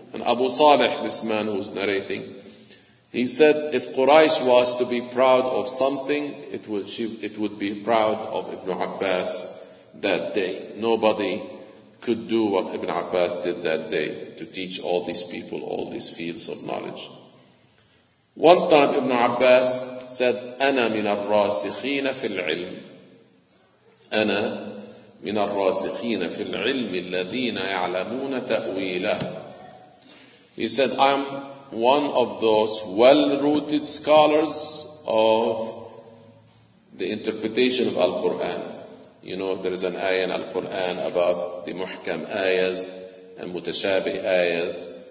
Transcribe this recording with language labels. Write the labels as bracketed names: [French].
[English] And Abu Salih, this man who's narrating, he said, if Quraysh was to be proud of something, it would be proud of Ibn Abbas that day. Nobody could do what Ibn Abbas did that day to teach all these people all these fields of knowledge. One time Ibn Abbas said, [Arabic] أنا من الراسخين في العلم. أنا من الراسخين في العلم الذين يعلمون تأويله. [English] He said, I'm one of those well-rooted scholars of the interpretation of Al-Quran. You know, there is an ayah in Al-Quran about the muhkam ayahs and mutashabih ayahs.